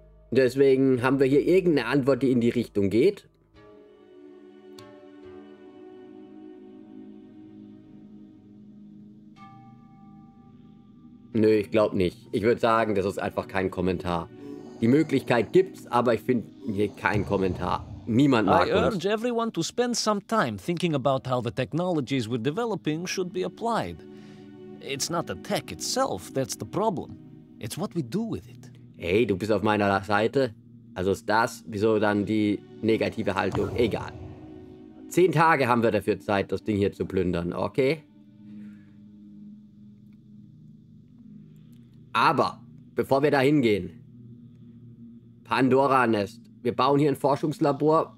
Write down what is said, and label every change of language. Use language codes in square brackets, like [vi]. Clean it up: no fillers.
[de] Deswegen haben wir hier irgendeine Antwort, die in die Richtung geht. Nö, ich glaube nicht. Ich würde sagen, das ist einfach kein Kommentar. Die Möglichkeit gibt's, aber ich finde hier keinen Kommentar. Niemand mag uns. [en] I urge everyone to spend some time thinking about how the technologies we're developing should be applied. It's not the tech itself that's the problem. It's what we do with it. [de] Hey, du bist auf meiner Seite. Also ist das, wieso dann die negative Haltung? Egal. 10 Tage haben wir dafür Zeit, das Ding hier zu plündern, okay? Aber, bevor wir da hingehen, Pandora-Nest, wir bauen hier ein Forschungslabor.